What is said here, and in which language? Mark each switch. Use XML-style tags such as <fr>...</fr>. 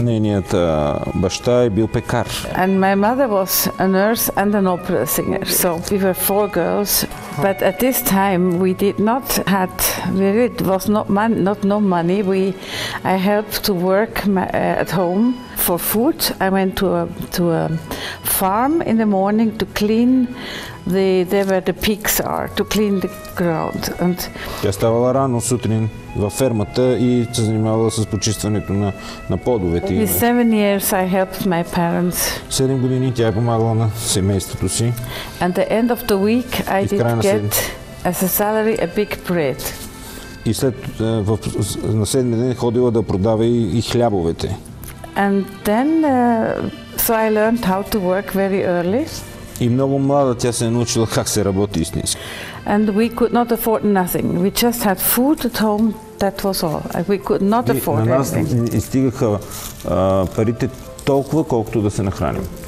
<bg>Нейният баща е бил пекар.</bg> <en>And my mother was a nurse and an opera singer. So we were four girls. But at this time we did not had really it was not man not no money. I helped to work at home for food. I went to a farm in the morning to clean there where the pigs are, to clean the ground. And</en> <bg>тя ставала рано сутрин във фермата и се занимавала с почистването на плодовете.</bg> <en>For 7 years I helped my parents.</en> <bg>7 години тя е помагала на семейството си.</bg> <en>And the end of the week I did get as a salary a big bread.</en> <bg>И след на седми ден ходила да продава и хлябовете.</bg> <en>And then so I learned how to work very early.</en> <bg>И много млада тя се е научила как се работи истински.</bg> <en>And we could not afford nothing. We just had food at home, that was all. We could not afford anything.</en> <bg>На нас стигаха парите толкова, колкото да се нахраним.</bg>